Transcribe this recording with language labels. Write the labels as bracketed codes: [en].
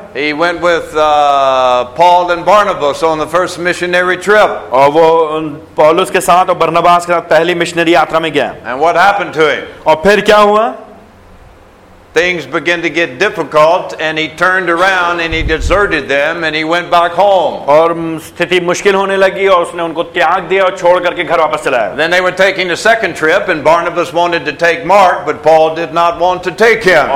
[en] He went with Paul and Barnabas on the first missionary trip. [hi] और वो पौलुस के साथ और बर्नबास के साथ पहली मिशनरी यात्रा में गया. [en] And what happened to him? [hi] और फिर क्या हुआ? [en] Things began to get difficult and he turned around and he deserted them and he went back home. [hi] और स्थिति मुश्किल होने लगी और उसने उनको त्याग दिया और छोड़ करके घर वापस चला गया. [en] Then they were taking a second trip and Barnabas wanted to take Mark but Paul did not want to take him.